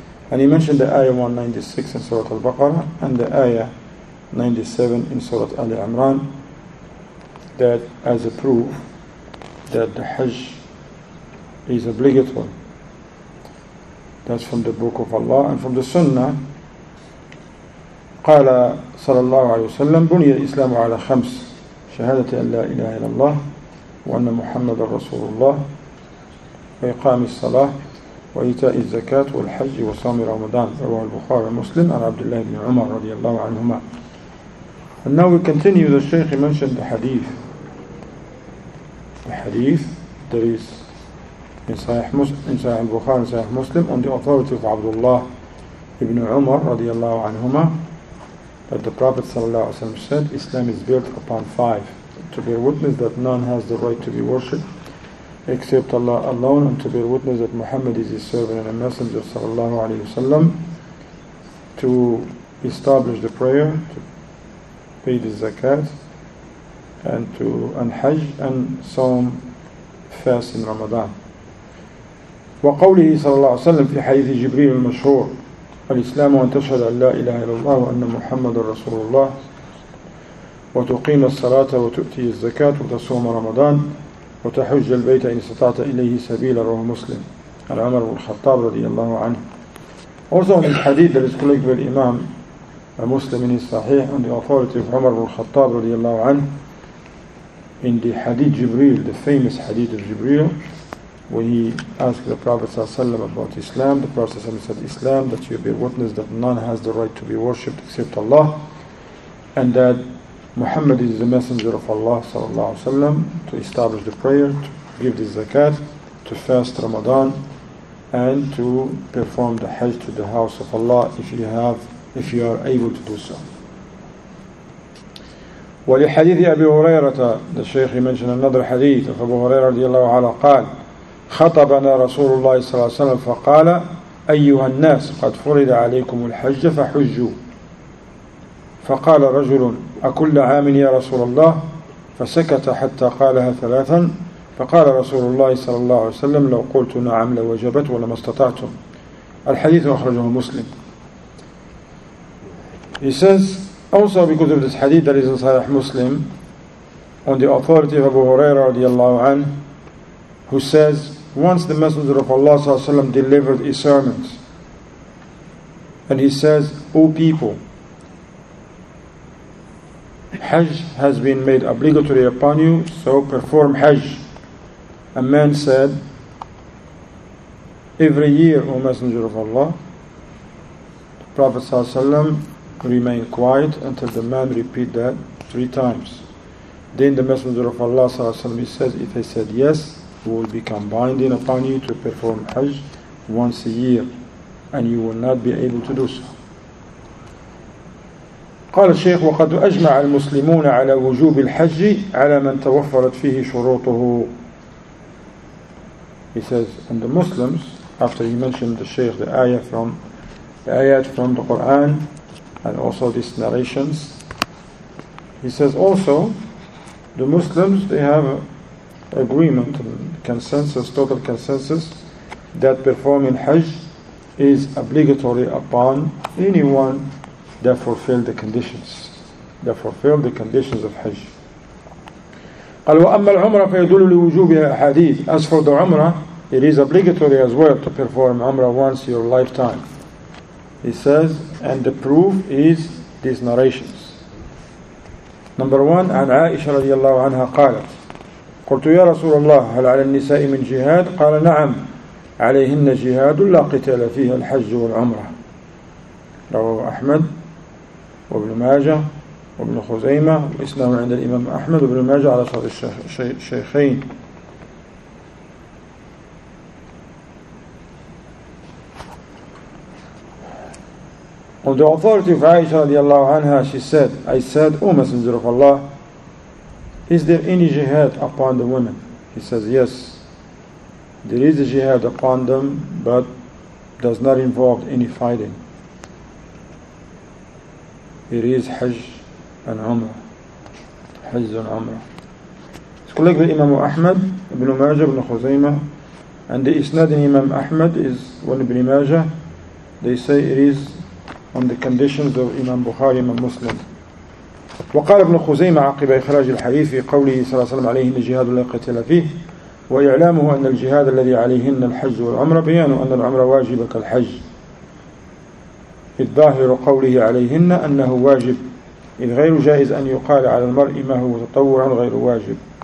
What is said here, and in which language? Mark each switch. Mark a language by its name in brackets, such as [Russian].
[English] And he mentioned the ayah 196 in Surah Al-Baqarah and the ayah 97 in Surah Ali Imran, that as a proof that the Hajj is obligatory. That's from the book of Allah and from the Sunnah. [Arabic] قال صلى الله عليه وسلم بني الإسلام على خمس شهادة أن لا إله إلا الله وأن محمد رسول الله وإقام الصلاة وإيتاء الزكاة والحج وصوم رمضان. رواه البخاري ومسلم عن عبد الله بن عمر رضي الله عنهما. [English] And now we continue. The Shaykh mentioned the hadith. The hadith that is in Sahih al-Bukhari and Sahih Muslim, on the authority of Abdullah ibn Umar radiallahu anhuma, that the Prophet sallallahu alayhi wa sallam said, Islam is built upon five: to bear witness that none has the right to be worshipped except Allah alone, and to bear witness that Muhammad is his servant and a messenger sallallahu alayhi wa sallam, to establish the prayer, to pay the zakat, and to hajj and saum, fast in Ramadan. [Arabic] وقوله صلى الله عليه وسلم في حديث جبريل المشهور الإسلام أن تشهد أن لا إله إلا الله وأن محمد رسول الله وتقيم الصلاة وتؤتي الزكاة وتصوم رمضان وتحج البيت إن استطعت إليه سبيلا. رواه مسلم عن عمر بن الخطاب رضي الله عنه. [English] Also in this hadith that is collected by Imam Muslim in his Sahih on the authority of [Arabic] عمر بن الخطاب رضي الله عنه, [English] in the hadith Jibreel, the famous hadith of Jibreel, when he asked the Prophet ﷺ about Islam, the Prophet ﷺ said, Islam, that you bear witness that none has the right to be worshipped except Allah, and that Muhammad is the messenger of Allah ﷺ, to establish the prayer, to give the zakat, to fast Ramadan, and to perform the hajj to the house of Allah if you are able to do so. [Arabic] ولحديث أبي هريرة, [English] the Shaykh mentioned another hadith of Abu Huraira [Arabic] رضي الله عنه, قال خطبنا رسول الله صلى الله عليه وسلم فقال أيها الناس قد فرض عليكم الحج فحجوا. فقال رجل أكل عام يا رسول الله؟ فسكت حتى قالها ثلاثا. فقال رسول الله صلى الله عليه وسلم لو قلت نعم لوجبت ولما استطعتم. الحديث أخرجه مسلم. [English] He says, also because of this hadith that is in Sahih Muslim, on the authority of Abu Huraira radiallahu anhu, who says, once the Messenger of Allah sallallahu alayhi wa sallam delivered a sermon, and he says, O people, Hajj has been made obligatory upon you, so perform Hajj. A man said, every year, O Messenger of Allah, the Prophet sallallahu alayhi wa sallam remained quiet until the man repeated that three times. Then the Messenger of Allah sallallahu alayhi wa sallam, he says, if I said yes, will become binding upon you to perform Hajj once a year, and you will not be able to do so. [Arabic] قال الشيخ وقد أجمع المسلمون على وجوب الحج على من توفرت فيه شروطه. [English] He says, and the Muslims, after he mentioned the Shaykh the ayah from the ayat from the Quran and also these narrations, he says also the Muslims, they have agreement, consensus, total consensus, that performing Hajj is obligatory upon anyone that fulfilled the conditions. That fulfilled the conditions of Hajj. [Arabic] قال وأما العمرة فيدل لوجوبها أحاديث. [English] As for the Umrah, it is obligatory as well to perform Umrah once in your lifetime. He says, and the proof is these narrations. Number one, [Arabic] عن عائشة رضي الله عنها قالت قلت يا رسول الله هل على النساء من جهاد؟ قال نعم عليهن جهاد لا قتال فيها الحج والعمرة. رواه أحمد وابن ماجه وابن خزيمة وإسناده عند الإمام أحمد وابن ماجه على صوت الشيخين. [English] On the authority of Aisha radiallahu anha, she said, I said, O Messenger of Allah, is there any jihad upon the women? He says, yes, there is a jihad upon them, but does not involve any fighting. It is Hajj and Umrah. Hajj and Umrah. It's collected by Imam Ahmad, Ibn Majah, Ibn Khuzaymah, and the isnad in Imam Ahmad is one Ibn Majah. They say it is on the conditions of Imam Bukhari, Imam Muslim. [Arabic] وقال ابن خزيمة عقب إخراج الحديث في قوله صلى الله عليه وسلم عليهن جهاد لا قتل فيه وإعلامه أن الجهاد الذي عليهن الحج والعمرة بيان أن العمرة واجب كالحج إذ ظاهر قوله عليهن أنه واجب إذ غير جائز أن يقال على المرء ما هو تطوع غير واجب.